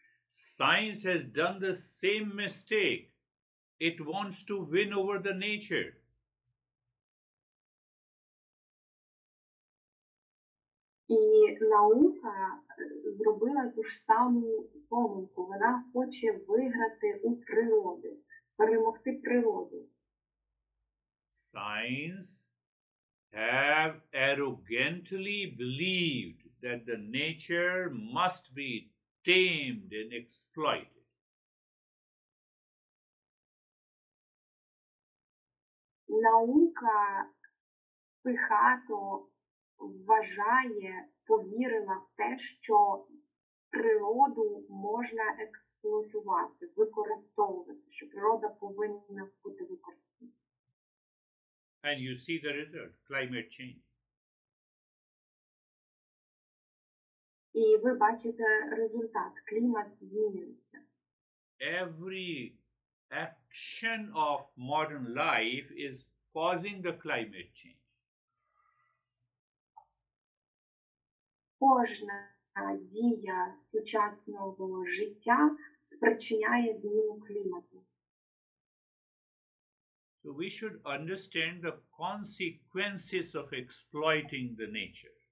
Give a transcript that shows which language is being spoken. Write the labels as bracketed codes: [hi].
[en] Science has done the same mistake. It wants to win over the nature. [uk] І І наука зробила ту ж саму помилку. Вона хоче виграти у природи, перемогти природу. [en] Science have arrogantly believed that the nature must be tamed and exploited. [uk] Наука пихато вважає, повірила в те, що природу можна експлуатувати, використовувати, що природа повинна бути використана. [en] And you see the result, climate change. [uk] І ви бачите результат, клімат змінюється. [en] Every action of modern life is causing the climate change. [uk] Кожна дія сучасного життя спричиняє зміну клімату. [en] So we should understand the consequences of exploiting the nature.